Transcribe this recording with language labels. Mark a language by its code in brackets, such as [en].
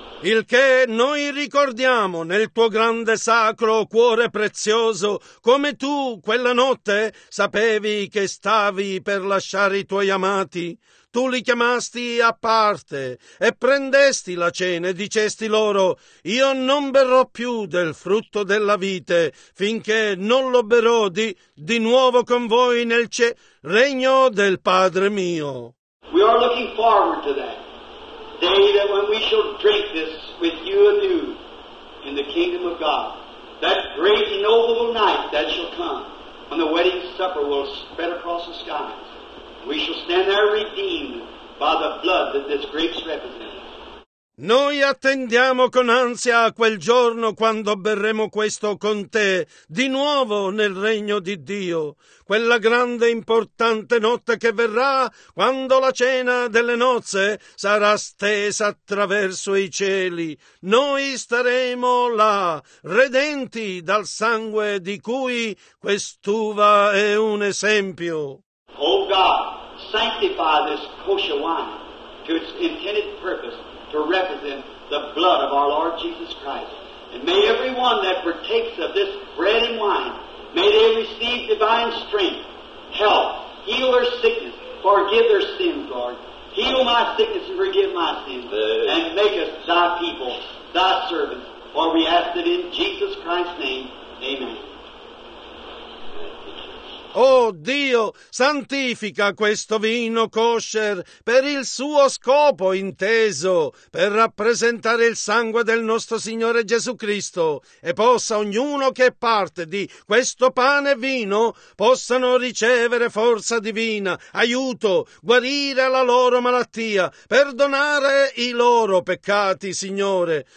[it] Il che noi ricordiamo nel tuo grande sacro cuore prezioso, come tu quella notte sapevi che stavi per lasciare i tuoi amati. Tu li chiamasti a parte e prendesti la cena e dicesti loro, io non berrò più del frutto della vite finché non lo berrò di nuovo con voi nel regno del Padre mio. [en] We are looking forward to that day that when we shall drink this with you anew in the kingdom of God, that great and noble night that shall come when the wedding supper will spread across the skies. We shall stand there redeemed by the blood that this grapes represent. [it] Noi attendiamo con ansia a quel giorno quando berremo questo con te, di nuovo nel regno di Dio, quella grande e importante notte che verrà quando la cena delle nozze sarà stesa attraverso i cieli. Noi staremo là, redenti dal sangue di cui quest'uva è un esempio. [en] Oh God, sanctify this kosher wine to its intended purpose. To represent the blood of our Lord Jesus Christ. And may everyone that partakes of this bread and wine, may they receive divine strength, health, heal their sickness, forgive their sins, Lord. Heal my sickness and forgive my sins. And make us thy people, thy servants. For we ask it in Jesus Christ's name. Amen. [it] Oh Dio, santifica questo vino kosher per il suo scopo inteso, per rappresentare il sangue del nostro Signore Gesù Cristo, e possa ognuno che è parte di questo pane e vino possano ricevere forza divina, aiuto, guarire la loro malattia, perdonare i loro peccati, Signore.